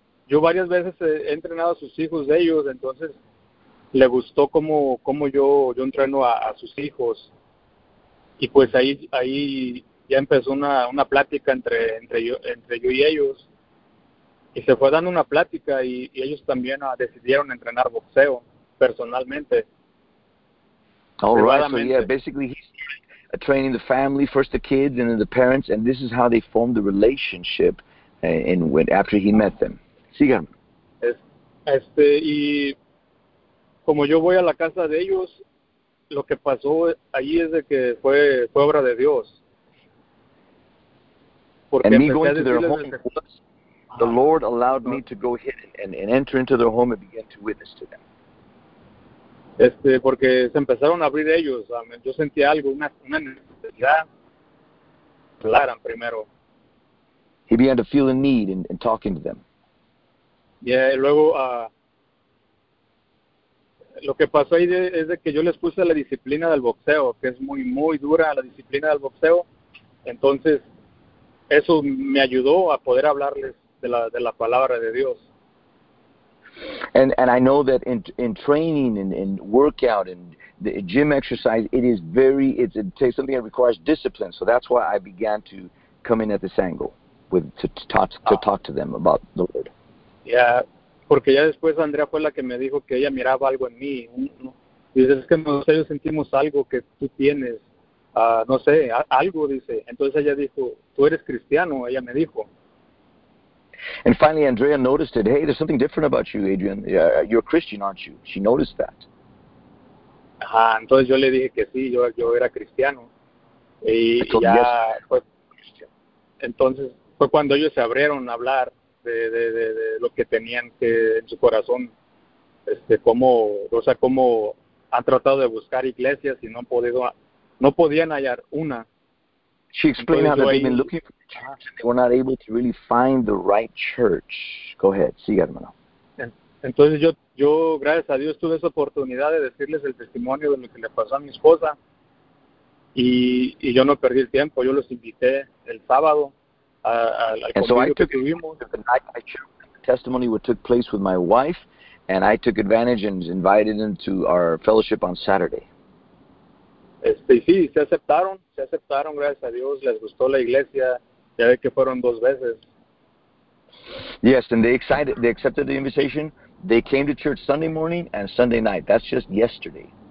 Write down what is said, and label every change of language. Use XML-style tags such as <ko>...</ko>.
<es>Yo varias veces he entrenado a sus hijos de ellos, entonces le gustó cómo yo entreno a sus hijos. Y pues ahí ya empezó una plática entre yo y ellos. Y se fue dando una plática y ellos también decidieron entrenar boxeo personalmente.</es> <en>All right, so yeah, basically he started training the family, first the kids and then the parents, and this is how they formed the relationship after he met them.</en> <es>Sigan. Y como yo voy a la casa de ellos, lo que pasó allí es de que fue obra de Dios. Porque me</es> <en>going to their home, the Lord allowed me to go ahead and enter into their home and begin to witness to them.</en> <es>Porque se empezaron a abrir ellos. Yo sentí algo, una necesidad. Claran primero.</es> <en>He began to feel a need in talking to them.</en> <es>Yeah, luego lo que pasó ahí es de que yo les puse la disciplina del boxeo, que es muy, muy dura la disciplina del boxeo. Entonces, eso me ayudó a poder hablarles de la palabra de Dios.</es> <en>And I know that in training and in workout and the gym exercise, it is very, it's something that requires discipline. So that's why I began to come in at this angle with to talk to them about the Lord.</en> <es>Yeah, porque ya después Andrea fue la que me dijo que ella miraba algo en mí. Dice, es que nosotros sentimos algo que tú tienes, no sé, algo, dice. Entonces ella dijo, tú eres cristiano, ella me dijo.</es> <en>And finally Andrea noticed it. Hey, there's something different about you, Adrian. You're a Christian, aren't you? She noticed that.</en> <es>Ajá, entonces yo le dije que sí, yo era cristiano. Y ya fue, entonces fue cuando ellos se abrieron a hablar de lo que tenían que en su corazón, cómo han tratado de buscar iglesias y no podían hallar una.</es> <en>She explained entonces, how they've been looking for the church and they were not able to really find the right church. Go ahead,</en> <es>sigue, hermano. Entonces yo gracias a Dios tuve esa oportunidad de decirles el testimonio de lo que le pasó a mi esposa. Y yo no perdí el tiempo, yo los invité el sábado al convivio que tuvimos.</es> <en>And so I took the testimony what took place with my wife, and I took advantage and invited them to our fellowship on Saturday.</en> <es>Sí, se aceptaron, gracias a Dios, les gustó la iglesia, ya ve que fueron dos veces.</es> <en>Yes, and they accepted the invitation, they came to church Sunday morning and Sunday night, that's just yesterday.</en>